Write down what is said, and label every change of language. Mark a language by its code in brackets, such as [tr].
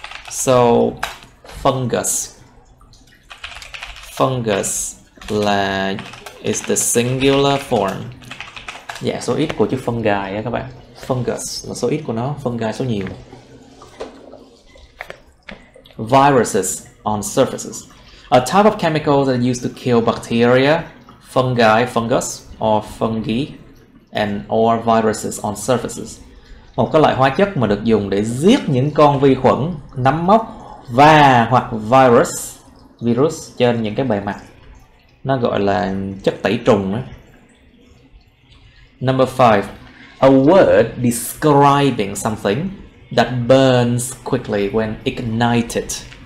[en] So fungus [vi] là [en] is the singular form. [vi] Dạ, số ít của chữ fungi á các bạn. Fungus là số ít của nó, fungi số nhiều. [en] Viruses on surfaces. A type of chemical that is used to kill bacteria, fungi, fungus, or fungi, and or viruses on surfaces. [vi] Một cái loại hóa chất mà được dùng để giết những con vi khuẩn, nấm mốc và hoặc virus trên những cái bề mặt. Nó gọi là chất tẩy trùng á. [en] Number 5. A word describing something that burns quickly when ignited.